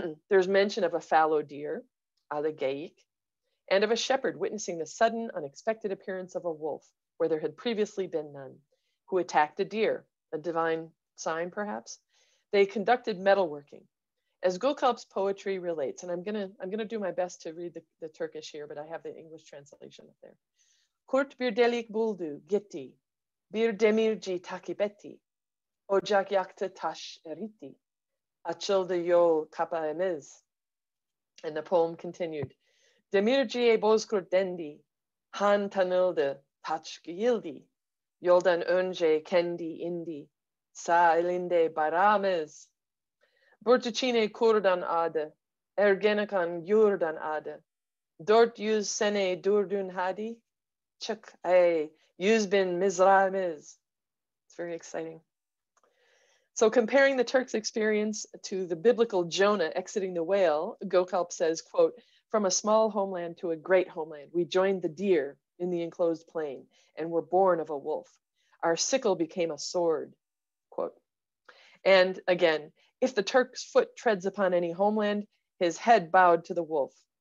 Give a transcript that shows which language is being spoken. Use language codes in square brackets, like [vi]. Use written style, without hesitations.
[en] There's mention of a fallow deer, Alegeik, and of a shepherd witnessing the sudden, unexpected appearance of a wolf where there had previously been none, who attacked a deer, a divine sign perhaps. They conducted metalworking. As Gökalp's poetry relates, and I'm gonna do my best to read the Turkish here, but I have the English translation up there. [tr] Kurt bir delik buldu gitti, bir demirci takip etti, ocak yaktı taş eritti, açıldı yol kapağımız. [en] And the poem continued. [tr] Demirciye bozkurt dendi, han tanıldı taç giyildi, yoldan önce kendi indi, sağ elinde baramız. Börteçine kurdan adı, ergenekan yurdan adı, dört yüz sene durdun hadi, çık ey, yüz bin mizramız. [en] It's very exciting. So comparing the Turk's experience to the biblical Jonah exiting the whale, Gökalp says, quote, from a small homeland to a great homeland, we joined the deer in the enclosed plain and were born of a wolf. Our sickle became a sword, quote. And again, if the Turk's foot treads upon any homeland, his head bowed to the wolf.